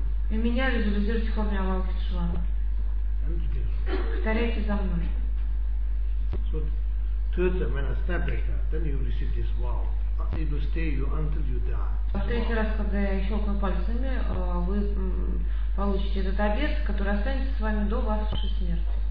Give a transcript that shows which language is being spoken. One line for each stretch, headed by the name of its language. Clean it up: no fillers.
Russian: И меня визуализируйте в форме Авалокитешвара. Повторяйте за мной.
English: So, Thirdly, when I snap like that, then you receive this vow. It will stay you until you die.
Russian: В третий раз, когда я щелкну пальцами, вы получите этот обет, который останется с вами до вашей смерти.